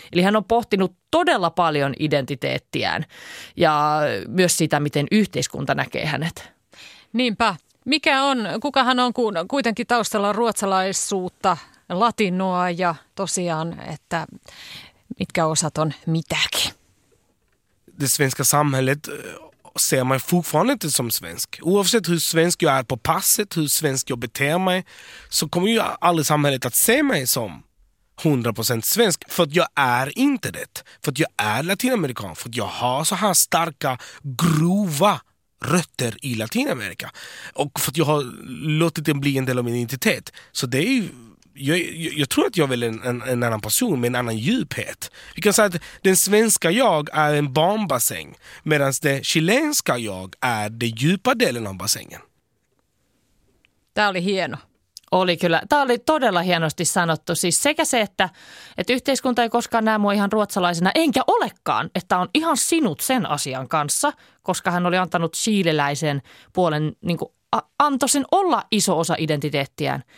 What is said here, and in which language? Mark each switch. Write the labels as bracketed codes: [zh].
[fi] Eli hän on pohtinut todella paljon identiteettiään ja myös sitä, miten yhteiskunta näkee hänet. Niinpä. Mikä on, kuka hän on, kun kuitenkin taustalla on ruotsalaisuutta, latinoa ja tosiaan, että mitkä osat on mitäkin? [sv] Det svenska samhället ser mig fortfarande inte som svensk. Oavsett hur svensk jag är på passet, hur svensk jag beter mig, så kommer ju aldrig samhället att se mig som 100% svensk, för att jag är inte det. För att jag är latinamerikan, för att jag har så här starka, grova rötter i Latinamerika. Och för att jag har låtit den bli en del av min identitet. Så det är ju, jag tror att jag är väl en annan person med en annan djuphet. Vi kan säga att den svenska jag är en barnbassäng, medan det chilenska jag är den djupa delen av bassängen. Det är [fi] hieno. Oli kyllä. Tämä oli todella hienosti sanottu. Siis sekä se, että yhteiskunta ei koskaan näe mua ihan ruotsalaisena, enkä olekaan, että on ihan sinut sen asian kanssa, koska hän oli antanut chileläisen puolen, niin kuin antoi sen olla iso osa identiteettiään.